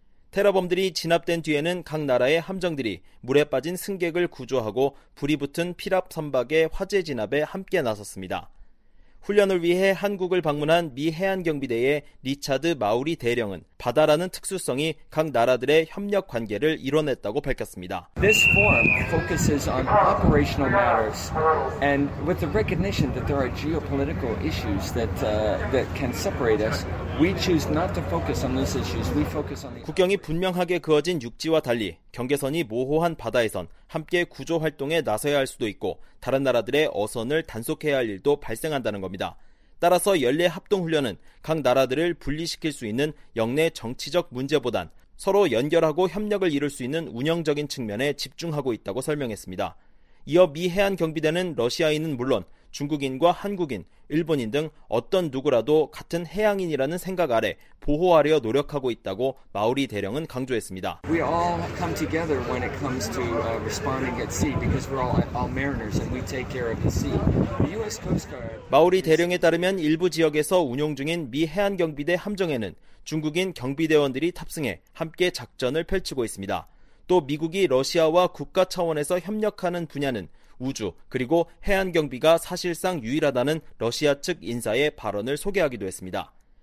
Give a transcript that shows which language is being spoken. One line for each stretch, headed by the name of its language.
Korean: 테러범들이 진압된 뒤에는 각 나라의 함정들이 물에 빠진 승객을 구조하고 불이 붙은 피랍 선박의 화재 진압에 함께 나섰습니다. 훈련을 위해 한국을 방문한 미 해안경비대의 리차드 마우리 대령은 바다라는 특수성이 각 나라들의 협력 관계를 이뤄냈다고 밝혔습니다.
English: This forum focuses on operational matters and with the recognition that there are geopolitical issues that can separate us, we choose not to focus on those issues. We focus on the
Korean: 국경이 분명하게 그어진 육지와 달리 경계선이 모호한 바다에선 함께 구조 활동에 나서야 할 수도 있고 다른 나라들의 어선을 단속해야 할 일도 발생한다는 겁니다. 따라서 연례 합동훈련은 각 나라들을 분리시킬 수 있는 역내 정치적 문제보단 서로 연결하고 협력을 이룰 수 있는 운영적인 측면에 집중하고 있다고 설명했습니다. 이어 미 해안경비대는 러시아인은 물론 중국인과 한국인, 일본인 등 어떤 누구라도 같은 해양인이라는 생각 아래 보호하려 노력하고 있다고 마우리 대령은 강조했습니다.
English: We all come together when it comes to responding at sea because we're all mariners and we take care of the sea. The US Coast Guard.
Korean: 마우리 대령에 따르면 일부 지역에서 운용 중인 미 해안경비대 함정에는 중국인 경비대원들이 탑승해 함께 작전을 펼치고 있습니다. 또 미국이 러시아와 국가 차원에서 협력하는 분야는 우주 그리고 해안경비가 사실상 유일하다는 러시아 측 인사의 발언을 소개하기도 했습니다.